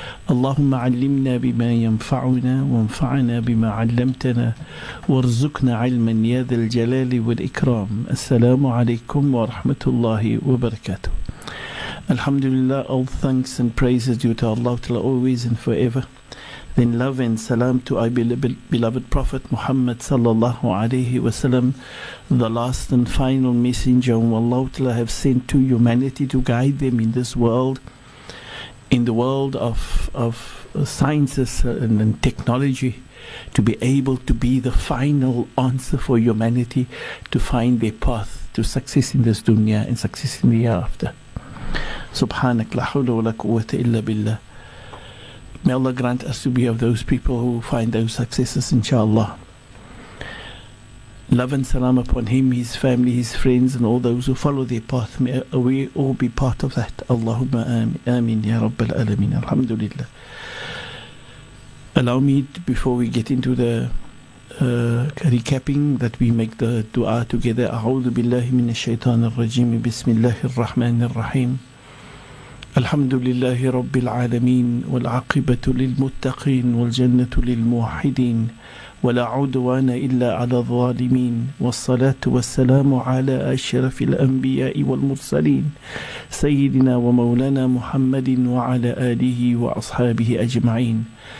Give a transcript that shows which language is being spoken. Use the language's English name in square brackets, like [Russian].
[Arabic] اللهم علمنا بما ينفعنا وانفعنا بما علمتنا وارزقنا علما يا ذا الجلال والإكرام. السلام عليكم ورحمة الله وبركاته. [English] Alhamdulillah, all thanks and praises due to Allah till always and forever. Then love and salam to our beloved Prophet Muhammad [Arabic] sallallahu alayhi wa sallam, [English] the last and final messenger whom Allah till have sent to humanity to guide them in this world, in the world of sciences and technology, to be able to be the final answer for humanity to find their path to success in this dunya and success in the hereafter. [Arabic] Subhanak la hawla wa la quwwata illa billah. [English] May Allah grant us to be of those people who find those successes, inshallah. Love and salam upon him, his family, his friends, and all those who follow their path. May we all be part of that. [Arabic] Allahumma ameen ya rabbal alameen. [English] Alhamdulillah. Allow me, before we get into the recapping, that we make the dua together. [Arabic] A'udhu billahi min ash-shaytan ar-rajim. Bismillahi ar-Rahman ar-Rahim. الحمد لله رب العالمين والعاقبة للمتقين والجنة للموحدين ولا عدوان إلا على الظالمين والصلاة والسلام على أشرف الأنبياء والمرسلين سيدنا ومولانا محمد وعلى آله وأصحابه أجمعين.